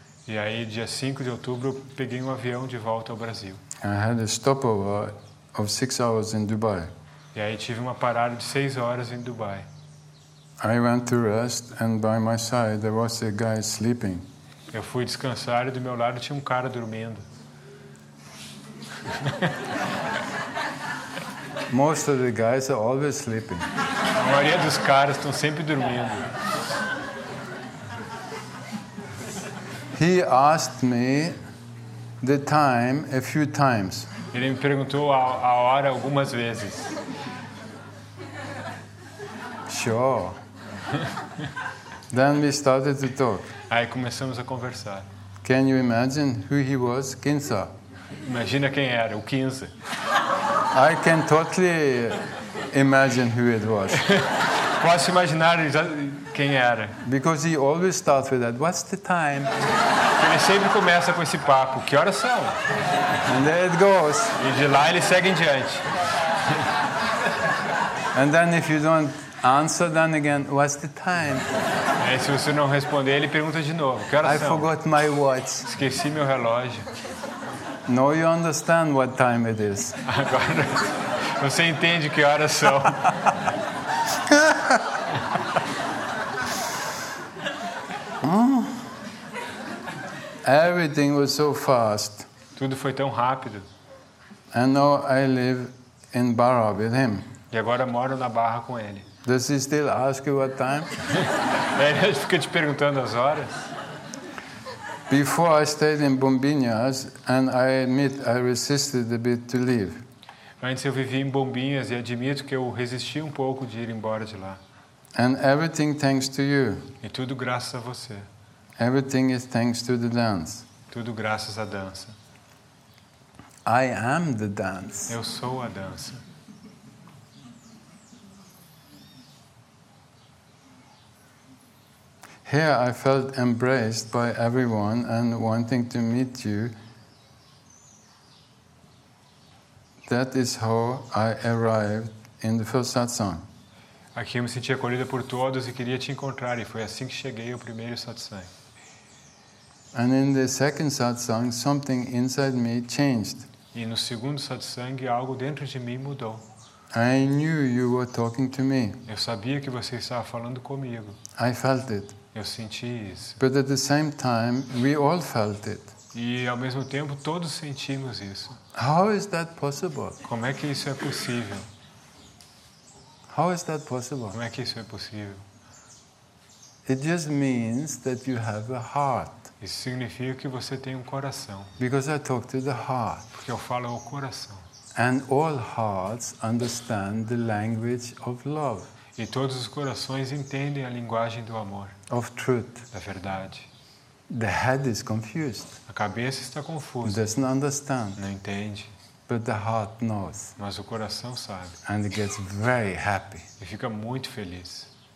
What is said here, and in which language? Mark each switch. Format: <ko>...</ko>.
<pt>E aí, dia 5 de outubro, peguei um avião de volta ao Brasil.</pt> <en>I had a stopover of 6 hours in Dubai.</en> <pt>E aí tive uma parada de 6 horas em Dubai.</pt> <en>I went to rest, and by my side there was a guy sleeping.</en> <pt>Eu fui descansar e do meu lado tinha um cara dormindo.</pt> <en>Most of the guys are always sleeping.</en> <pt>A maioria dos caras estão sempre dormindo.</pt> <en>He asked me the time a few times.</en> <pt>Ele me perguntou a hora algumas vezes.</pt> <en>Sure. Then we started to talk.</en> <pt>Aí começamos a conversar.</pt> <en>Can you imagine who he was?</en> <pt>Quinza. Imagina quem era, o Quinza.</pt> <en>I can totally imagine who it was.</en> <pt>Posso imaginar quem era.</pt> <en>Because he always starts with that. What's the time?</en> <pt>Ele sempre começa com esse papo. Que horas são?</pt> <en>And there it goes.</en> <pt>E de lá ele segue em diante.</pt> <en>And then if you don't answer, then again, what's the time? E se você não responder, ele pergunta de novo.</en> <pt>Que horas são?</pt> <en>I forgot my watch.</en> <pt>Esqueci meu relógio.</pt> <en>Now you understand what time it is.</en> <pt>Agora você entende que horas são.</pt> <en>Everything was so fast.</en> <pt>Tudo foi tão rápido.</pt> <en>And now I live in Barra with him.</en> <pt>E agora moro na Barra com ele.</pt> <en>Does he still ask you what time?</en> <pt>Ele fica te perguntando as horas.</pt> <en>Before I stayed in Bombinhas, and I admit I resisted a bit to leave.</en> <pt>Antes eu vivi em Bombinhas e admito que eu resisti um pouco de ir embora de lá.</pt> <en>And everything thanks to you.</en> <pt>E tudo graças a você.</pt> <en>Everything is thanks to the dance.</en> <pt>Tudo graças à dança.</pt> <en>I am the dance.</en> <pt>Eu sou a dança.</pt> <en>Here I felt embraced by everyone and wanting to meet you. That is how I arrived in the first satsang.</en> <pt>Aqui eu me senti acolhida por todos e queria te encontrar e foi assim que cheguei ao primeiro satsang.</pt> <en>And in the second satsang, something inside me changed.</en> <pt>E no segundo satsang, algo dentro de mim mudou.</pt> <en>I knew you were talking to me.</en> <pt>Eu sabia que você estava falando comigo.</pt> <en>I felt it.</en> <pt>Eu senti isso.</pt> <en>But at the same time, we all felt it.</en> <pt>E ao mesmo tempo, todos sentimos isso.</pt> <en>How is that possible?</en> <pt>Como é que isso é possível?</pt> <en>How is that possible?</en> <pt>Como é que isso é possível?</pt> <en>It just means that you have a heart.</en> <pt>Isso significa que você tem um coração.</pt> <en>Because I talk to the heart.</en> <pt>Porque eu falo ao coração.</pt> <en>And all hearts understand the language of love.</en> <pt>E todos os corações entendem a linguagem do amor.</pt> <en>Of truth.</en> <pt>Da verdade.</pt> <en>The head is confused.</en> <pt>A cabeça está confusa.</pt> <en>Doesn't understand.</en> <pt>Não entende.</pt> <en>But the heart knows.</en> <pt>Mas o coração sabe.</pt> <en>And it gets very happy.</en> <pt>E fica muito feliz.</pt>